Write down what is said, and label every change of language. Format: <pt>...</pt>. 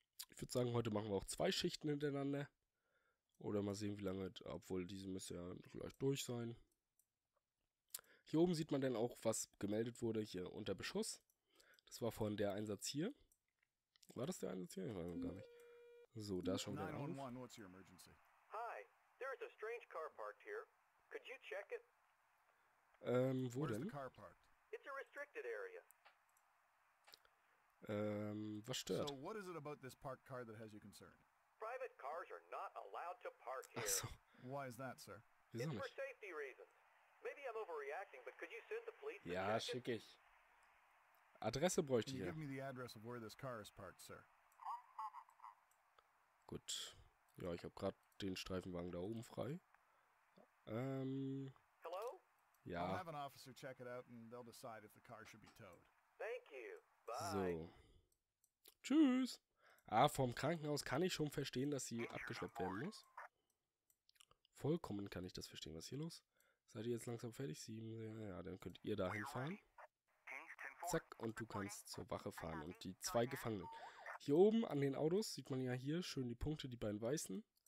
<de>Ich würde sagen, heute machen wir auch 2 Schichten hintereinander. Oder mal sehen, wie lange, obwohl diese müsste ja vielleicht durch sein. Hier oben sieht man dann auch, was gemeldet wurde, hier unter Beschuss. Das war von der Einsatz hier. War das der Einsatz hier? Ich weiß gar nicht. So, da ist schon der Anruf.</de> <en>Hi, there is a strange car parked here. Could you check it?</en> <de>Wo denn?</de> <en>It's a restricted area.</en> <de>Was stört?</de> <en>So, what is it about this parked car that has you concerned? Private cars are not allowed to park here.</en> <de>Achso.</de> <en>Why is that, sir?</en> <de>Wieso nicht?</de> <en>It's for safety reasons. Maybe I'm overreacting, but could you send the police?</en> <de>Ja, schick ich. Adresse bräuchte ich ja.</de> <en>Give me the address of where this car is parked, sir.</en> <de>Gut. Ja, ich habe gerade den Streifenwagen da oben frei.</de> <en>Hello?</en> <de>Ja.</de> <en>I'll have an officer check it out and they'll decide if the car should be towed. Thank you. Bye.</en> <de>So. Tschüss. Ah, vom Krankenhaus kann ich schon verstehen, dass sie abgeschleppt werden muss. Vollkommen kann ich das verstehen. Was ist hier los? Seid ihr jetzt langsam fertig? Sieben, ja, dann könnt ihr dahin fahren. Zack, und du kannst zur Wache fahren. Und die zwei Gefangenen. Hier oben an den Autos sieht man ja hier schön die Punkte, die beiden weißen.</de>